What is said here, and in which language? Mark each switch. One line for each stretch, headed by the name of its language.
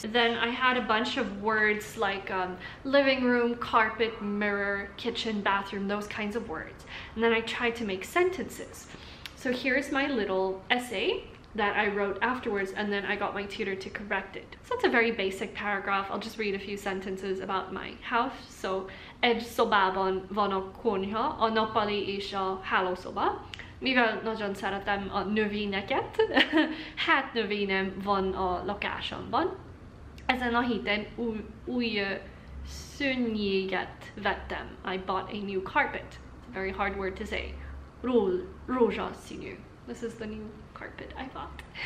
English: Then I had a bunch of words like living room, carpet, mirror, kitchen, bathroom, those kinds of words. And then I tried to make sentences. So here's my little essay that I wrote afterwards, and then I got my tutor to correct it. So it's a very basic paragraph. I'll just read a few sentences about my house.
Hungarian: So, egy szobában van a konyha, a nappali és a hálószoba. Mivel nagyon szeretem a növényeket, hát növényem van a lakásomban. Ezen a héten új szőnyéget vettem.
English: I bought a new carpet. It's a very hard word to say. Rózsaszínű. This is the new carpet I bought.